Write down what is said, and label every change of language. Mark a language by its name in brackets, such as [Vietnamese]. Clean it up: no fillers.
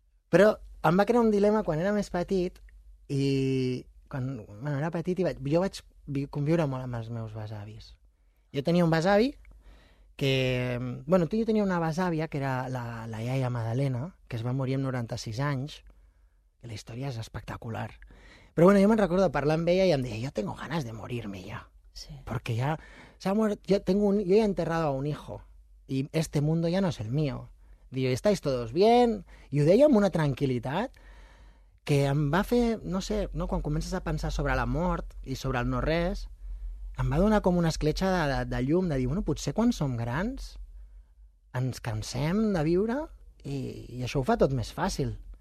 [Catalan] Però em va crear un dilema quan era més petit i quan bueno, era petit i jo vaig conviure molt amb els meus besavis. Jo tenia un besavi que... Bueno, jo tenia una besàvia que era la iaia Madalena, que es va morir amb 96 anys. La història és espectacular. Però bueno, jo me'n recordo parlar amb ella i em deia jo [Spanish] tengo ganas de morirme ya. Sí. Porque ya... Yo he enterrado a un hijo y este mundo ya no es el mío. Digo, ¿estáis todos bien? [Catalan] I ho deia amb una tranquil·litat que em va fer, no sé, no, quan comences a pensar sobre la mort i sobre el no-res, em va donar com una escletxa de llum, de dir, bueno, potser quan som grans ens cansem de viure i això ho fa tot més fàcil.